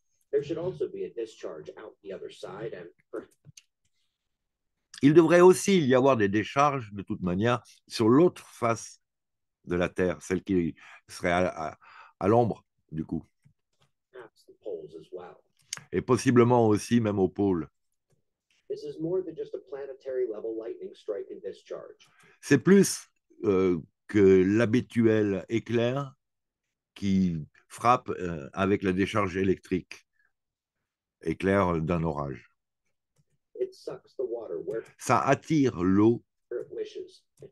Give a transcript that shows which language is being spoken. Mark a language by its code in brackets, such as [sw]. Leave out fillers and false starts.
[en] There should also be a discharge out the other side and [fr] Il devrait aussi y avoir des décharges, de toute manière, sur l'autre face de la Terre, celle qui serait à l'ombre, du coup. [en] perhaps the poles as well. [fr] Et possiblement aussi même au pôle. [en] This is more than just a planetary level lightning strike and discharge. [fr] C'est plus que l'habituel éclair qui frappe avec la décharge électrique, éclair d'un orage. [en] It sucks the water where [fr] Ça attire l'eau [en] it wishes